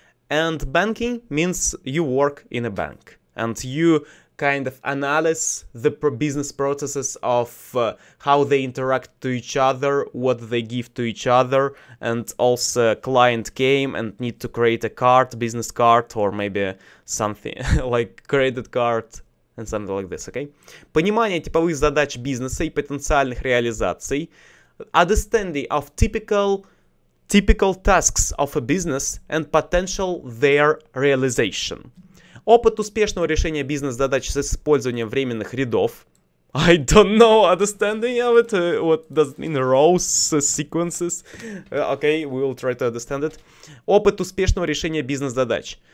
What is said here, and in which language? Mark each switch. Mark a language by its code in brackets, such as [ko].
[en] And banking means you work in a bank and you kind of analyze the business processes of how they interact to each other, what they give to each other, and also client came and need to create a card, business card, or maybe something like credit card. And something like this, okay? [ru] Понимание типовых задач бизнеса и потенциальных реализаций. [en] Understanding of typical tasks of a business and potential their realization. [ru] Опыт успешного решения бизнес-задач с использованием временных рядов. [en] I don't know understanding of it. What does it mean? Rows, sequences. Okay, we will try to understand it. [ru] Опыт успешного решения бизнес-задач.